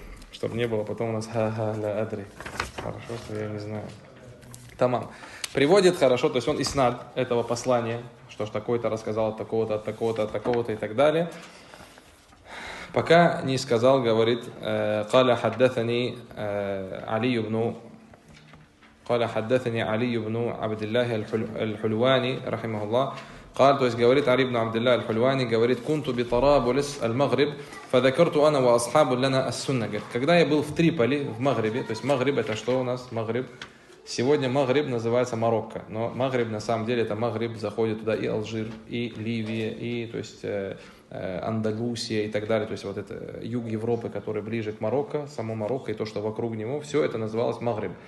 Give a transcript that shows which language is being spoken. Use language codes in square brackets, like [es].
[ru] Чтобы не было потом у нас ха-ха, ля адри. Хорошо, что я не знаю. Тамам. Приводит хорошо, то есть он иснад этого послания. Что ж такое-то рассказал от такого-то, от такого-то, от такого-то и так далее. Пока не сказал, говорит, [ar] «Каля хаддатани Али ибну». قال حدثني علي بن عبد الله الحلواني رحمه الله قال [ru] то есть говорит [ar] علي بن عبد الله الحلواني говорит كنت بطرابلس المغرب فذكرت انا واصحاب لنا السنه. [ru] Говорит, когда я был в Триполи в Магрибе, то есть Магриб это что у нас? Магриб. Сегодня Магриб называется Марокко, но Магриб на самом деле это Магриб, заходит туда и Алжир, и Ливия, и то есть Андалусия и так далее, то есть вот это юг Европы, который ближе к Марокко, само Марокко и то, что вокруг него, все это называлось Магриб.